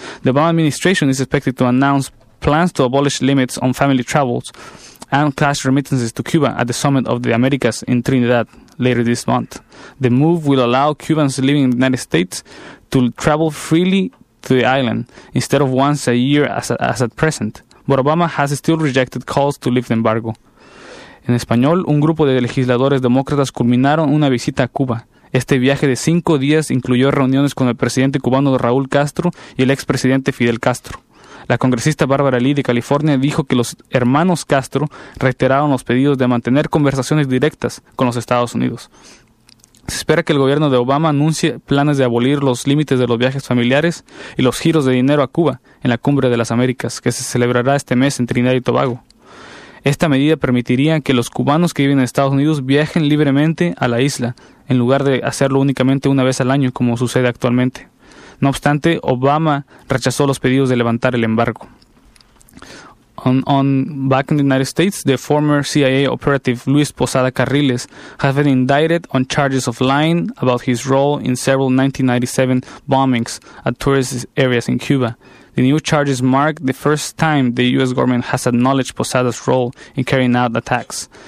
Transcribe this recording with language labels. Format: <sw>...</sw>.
<en>The Obama administration is expected to announce plans to abolish limits on family travels and cash remittances to Cuba at the summit of the Americas in Trinidad later this month. The move will allow Cubans living in the United States to travel freely to the island instead of once a year as at present. But Obama has still rejected calls to lift the embargo.</en> <es>En español, un grupo de legisladores demócratas culminaron una visita a Cuba. Este viaje de 5 días incluyó reuniones con el presidente cubano Raúl Castro y el expresidente Fidel Castro. La congresista Barbara Lee de California dijo que los hermanos Castro reiteraron los pedidos de mantener conversaciones directas con los Estados Unidos. Se espera que el gobierno de Obama anuncie planes de abolir los límites de los viajes familiares y los giros de dinero a Cuba en la Cumbre de las Américas, que se celebrará este mes en Trinidad y Tobago. Esta medida permitiría que los cubanos que viven en Estados Unidos viajen libremente a la isla, en lugar de hacerlo únicamente una vez al año, como sucede actualmente. No obstante, Obama rechazó los pedidos de levantar el embargo.</es> <en>Back in the United States, the former CIA operative Luis Posada Carriles has been indicted on charges of lying about his role in several 1997 bombings at tourist areas in Cuba. The new charges mark the first time the U.S. government has acknowledged Posada's role in carrying out attacks.</en>